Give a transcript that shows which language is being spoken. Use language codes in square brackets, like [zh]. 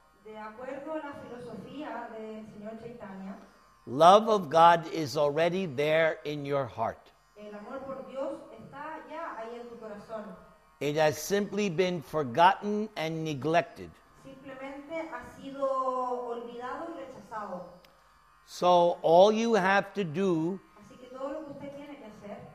[es] de acuerdo a la filosofía de Señor Chaitanya, [en] love of God is already there in your heart. [es] El amor por Dios está ya ahí en tu corazón. [en] It has simply been forgotten and neglected. [es] Simplemente ha sido olvidado y rechazado. [en] So all you have to do, [es] así que todo lo que usted tiene que hacer,